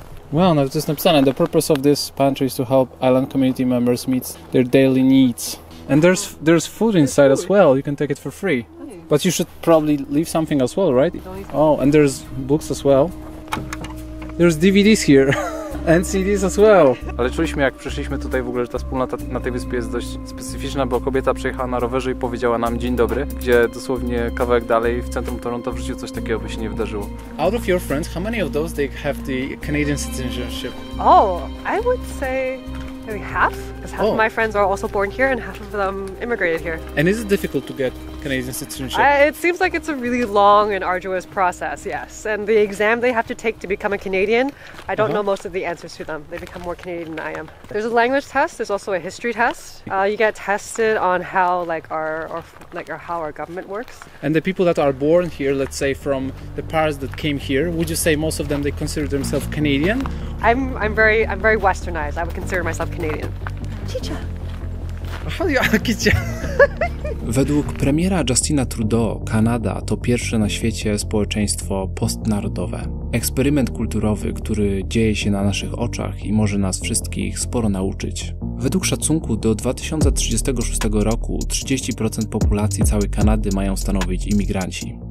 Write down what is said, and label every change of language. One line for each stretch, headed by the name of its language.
English: Well, that's just understand. The purpose of this pantry is to help island community members meet their daily needs. And there's food inside there's food. As well. You can take it for free. But you should probably leave something as well, right? Oh, and there's books as well. There's DVDs here. And CDs as well.
Polish: Ale czuliśmy, jak przyszliśmy tutaj w ogóle, że ta wspólnota na tej wyspie jest dość specyficzna, bo kobieta przyjechała na rowerze i powiedziała nam dzień dobry, gdzie dosłownie kawałek dalej w centrum Toronto w życiu coś takiego by się nie wydarzyło.
English: Out of your friends, how many of those they have the Canadian citizenship? Oh, I would say maybe half. Because half of my friends are also born here and half of them immigrated here. And is it difficult to get Canadian citizenship? It seems like it's a really long and arduous process, yes. And the exam they have to take to become a Canadian, I don't know most of the answers to them. They become more Canadian than I am. There's a language test, there's also a history test. You get tested on how like how our government works. And the people that are born here, let's say from the parents that came here, would you say most of them they consider themselves Canadian? I'm very westernized. I would consider myself Canadian. Chicha.
Polish: Według premiera Justina Trudeau, Kanada to pierwsze na świecie społeczeństwo postnarodowe. Eksperyment kulturowy, który dzieje się na naszych oczach i może nas wszystkich sporo nauczyć. Według szacunku do 2036 roku 30% populacji całej Kanady mają stanowić imigranci.